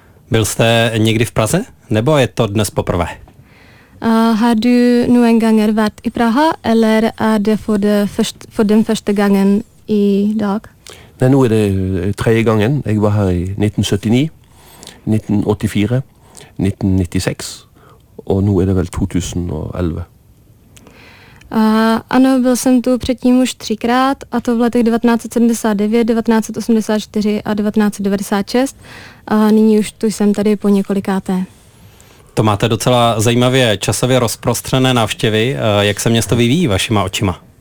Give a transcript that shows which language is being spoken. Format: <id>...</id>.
<cs>Byl jste někdy v Praze? Nebo je to dnes poprvé?</cs> <no>Har du noen ganger vært i Praha, eller er det for, det først, for den første gangen i dag? Nei, nå er det tredje gangen. Jeg var her i 1979, 1984, 1996, og nå er det vel 2011.</no> <cs>Ano, byl jsem tu předtím už třikrát, a to v letech 1979, 1984 a 1996. Nyní už tu jsem tady po několikáté. To máte docela zajímavě časově rozprostřené návštěvy. Jak se město vyvíjí vašima očima?</cs>